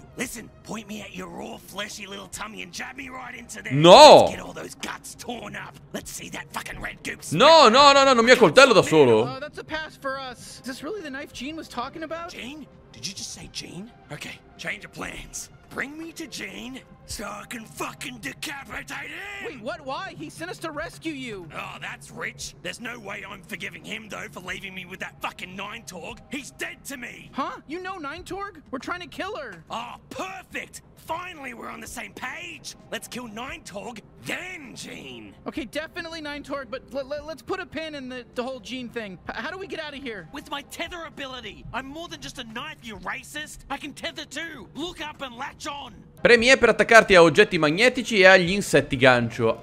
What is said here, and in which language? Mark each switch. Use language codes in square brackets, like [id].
[en] Listen, point me at your raw fleshy little tummy and jab me right into there. No. Get all those guts torn up. Let's see that fucking red goop. [it] No, no, no, no, non mi accoltello da solo. [en] That's a pass for us. Is this really the knife Gene was talking about? Gene? Did you just say Gene? Okay, change of plans. Bring me to Gene so I can fucking decapitate him! Wait, what? Why? He sent us to rescue you. Oh, that's rich. There's no way I'm forgiving him, though, for leaving me with that fucking Nine-Torg. He's dead to me! Huh? You know Nine-Torg? We're trying to kill her. Oh, perfect! Finally, we're on the same page. Let's kill Nine-Torg, then Gene. Okay, definitely Nine-Torg, but let's put a pin in the whole Gene thing. How do we get out of here? With my tether ability. I'm more than just a knife, you racist. I can tether too. Look up and latch on. [it] Premi E per attaccarti a oggetti magnetici e agli insetti gancio.